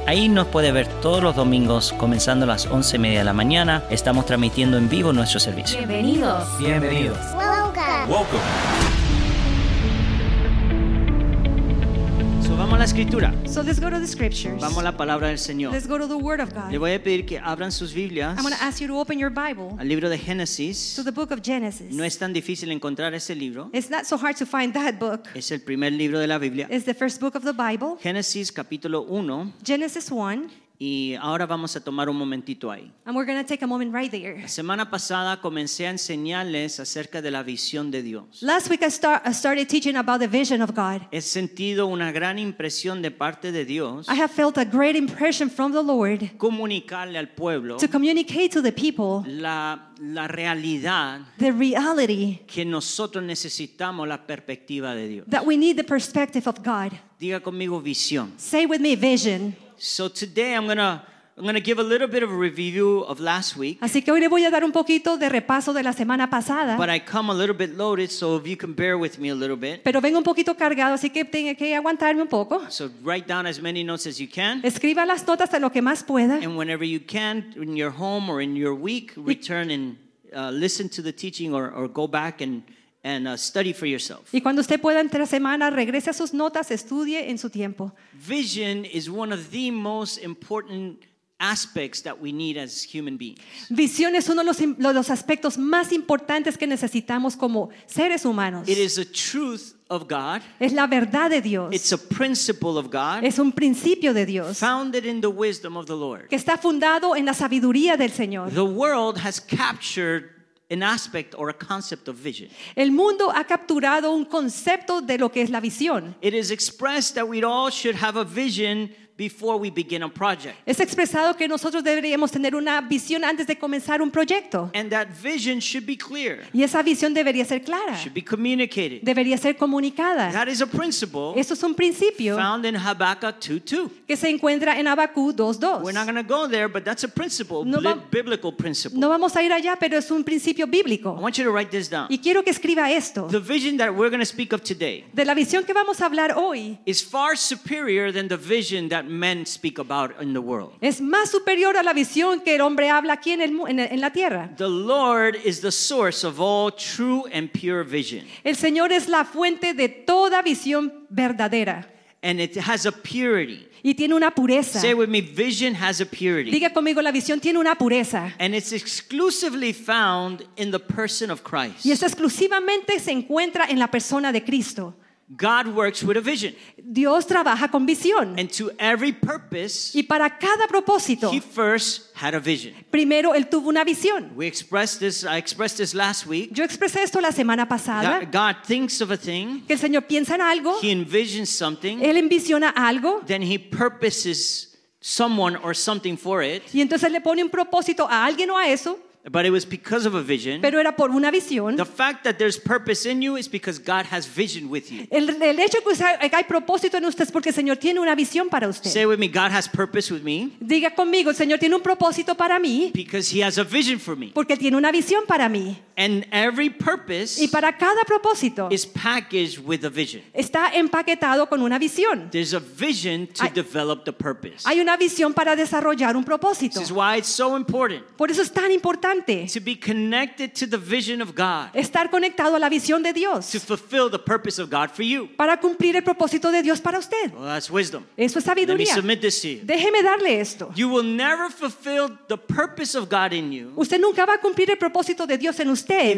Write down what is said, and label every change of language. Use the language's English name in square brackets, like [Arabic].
[Spanish] Ahí nos puede ver todos los domingos comenzando a las 11:30 de la mañana. Estamos transmitiendo en vivo nuestro servicio. Bienvenidos. Bienvenidos. [English] Welcome. Welcome. [Spanish] Vamos a la escritura. [English] So let's go to the scriptures. [Spanish] Vamos a la palabra del Señor. [English] Let's go to the word of God. [Spanish] Le voy a pedir que abran sus Biblias. [English] I'm going to ask you to open your Bible. [Spanish] Al libro de Génesis. [English] To the book of Genesis. [Spanish] No es tan difícil encontrar ese libro. [English] It's not so hard to find that book. [Spanish] Es el primer libro de la Biblia. [English] It's the first book of the Bible. [Spanish] Génesis capítulo 1. [English] Genesis 1. [Spanish] Y ahora vamos a tomar un momentito ahí. [English] And we're going to take a moment right there. [Spanish] La semana pasada comencé a enseñarles acerca de la visión de Dios. [English] Last week I started teaching about the vision of God. [Spanish] He sentido una gran impresión de parte de Dios. [English] I have felt a great impression from the Lord. [Spanish] Comunicarle al pueblo. [English] To communicate to the people. [Spanish] La realidad. [English] The reality. [Spanish] Que nosotros necesitamos la perspectiva de Dios. [English] That we need the perspective of God. [Spanish] Diga conmigo visión. [English] Say with me vision. So today I'm gonna give a little bit of a review of last week. [Spanish] Así que hoy le voy a dar un poquito de repaso de la semana pasada. [English] But I come a little bit loaded, so if you can bear with me a little bit. [Spanish] Pero vengo un poquito cargado, así que tiene que aguantarme un poco. [English] So write down as many notes as you can. [Spanish] Escriba las notas a lo que más pueda. [English] And whenever you can, in your home or in your week, return and listen to the teaching or go back and study for yourself. [Spanish] Y cuando usted pueda entre semana, regrese a sus notas, estudie en su tiempo. [English] Vision is one of the most important aspects that we need as human beings. [Spanish] Visión es uno de los aspectos más importantes que necesitamos como seres humanos. [English] It is a truth of God. [Spanish] Es la verdad de Dios. [English] It's a principle of God. [Spanish] Es un principio de Dios. [English] Founded in the wisdom of the Lord. [Spanish] Que está fundado en la sabiduría del Señor. [English] The world has captured an aspect or a concept of vision. [Spanish] El mundo ha capturado un concepto de lo que es la visión. [English] It is expressed that we all should have a vision before we begin a project. [Spanish] Es expresado que nosotros deberíamos tener una visión antes de comenzar un proyecto. [English] And that vision should be clear. [Spanish] Y esa visión debería ser clara. [English] Should be communicated. [Spanish] Debería ser comunicada. [English] That is a principle. [Spanish] Eso es un principio. [English] Found in Habakkuk 2:2. [Spanish] Que se encuentra en Habacuc 2:2. [English] We're not going to go there, but that's a principle, biblical principle. [Spanish] No vamos a ir allá, pero es un principio bíblico. [English] I want you to write this down. [Spanish] Y quiero que escriba esto. [English] The vision that we're going to speak of today. [Spanish] De la visión que vamos a hablar hoy. [English] Is far superior than the vision that men speak about in the world. [Spanish] Es más superior a la visión que el hombre habla aquí en la tierra. [English] The Lord is the source of all true and pure vision. [Spanish] El Señor es la fuente de toda visión verdadera. [English] And it has a purity. [Spanish] Y tiene una pureza. [English] Say with me, vision has a purity. [Spanish] Diga conmigo, la visión tiene una pureza. [English] And it's exclusively found in the person of Christ. [Spanish] Y esto exclusivamente se encuentra en la persona de Cristo. [English] God works with a vision. [Spanish] Dios trabaja con visión. [English] And to every purpose, [Spanish] y para cada propósito, [English] he first had a vision. [Spanish] Primero él tuvo una visión. [English] I expressed this last week. [Spanish] Yo expresé esto la semana pasada. [English] God thinks of a thing. [Spanish] Que el Señor piensa en algo. [English] He envisions something. [Spanish] Él envisiona algo. [English] Then he purposes someone or something for it. [Spanish] Y entonces le pone un propósito a alguien o a eso. [English] But it was because of a vision. [Spanish] Pero era por una visión. [English] The fact that there's purpose in you is because God has vision with you. [Spanish] El hecho que hay propósito en usted es porque el Señor tiene una visión para usted. [English] Say with me, God has purpose with me. [Spanish] Diga conmigo, el Señor tiene un propósito para mí. [English] Because he has a vision for me. [Spanish] Porque tiene una visión para mí. [English] And every purpose, [Spanish] y para cada propósito, [English] is packaged with a vision. [Spanish] Está empaquetado con una visión. [English] There's a vision to develop the purpose. [Spanish] Hay una visión para desarrollar un propósito. [English] This is why it's so important. [Spanish] Por eso es tan importante. [English] To be connected to the vision of God. [Spanish] Estar conectado a la visión de Dios. [English] To fulfill the purpose of God for you. [Spanish] Para cumplir el propósito de Dios para usted. [English] Well, that's wisdom. [Spanish] Eso es sabiduría. [English] Let me submit this to you. [Spanish] Déjeme darle esto. [English] You will never fulfill the purpose of God in you. [Spanish] Usted nunca va a cumplir el propósito de Dios en usted.